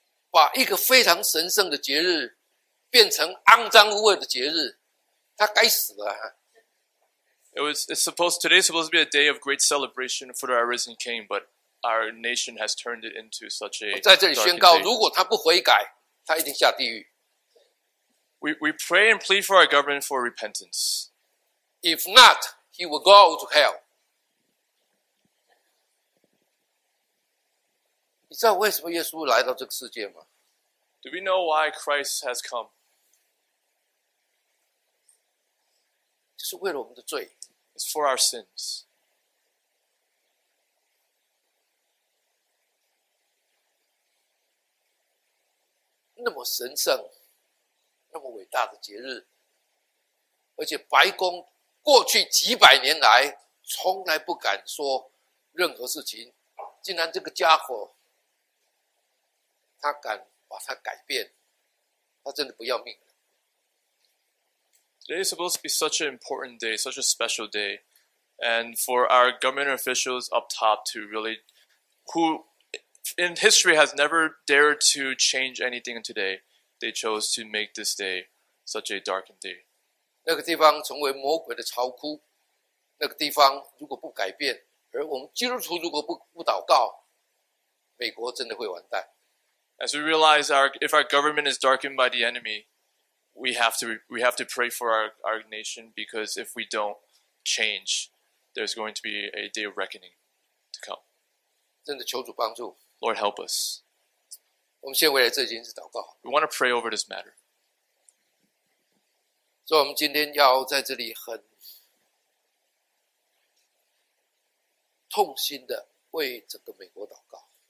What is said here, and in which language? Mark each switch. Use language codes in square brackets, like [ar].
[zh] 把一个非常神圣的节日变成肮脏污秽的节日，他该死了。 [en] Today's supposed to be a day of great celebration for our risen king, but our nation has turned it into such a. [zh] 在这里宣告，如果他不悔改，他一定下地狱。 [en] We pray and plead for our government for repentance. If not, he will go out to hell. [zh] 你知道为什么耶稣来到这个世界吗？ [en] Do we know why Christ has come? [zh] 就是为了我们的罪。 [en] It's for our sins. [zh] 那么神圣，那么伟大的节日，而且白宫过去几百年来从来不敢说任何事情，竟然这个家伙他敢把它改变，他真的不要命。 [en] Today is supposed to be such an important day, such a special day, and for our government officials up top to really, who in history has never dared to change anything today, they chose to make this day such a darkened day. [zh] 那个地方成为魔鬼的巢窟，那个地方如果不改变，而我们基督徒如果不祷告，美国真的会完蛋。 [en] As we realize if our government is darkened by the enemy,We have to pray for our nation because if we don't change, there's going to be a day of reckoning to come. [zh] 真的求主帮助。 [en] Lord, help us. [zh] 我们先为了这件事祷告。 [en] We want to pray over this matter. [zh] 所以我们今天要在这里很痛心的为整个美国祷告。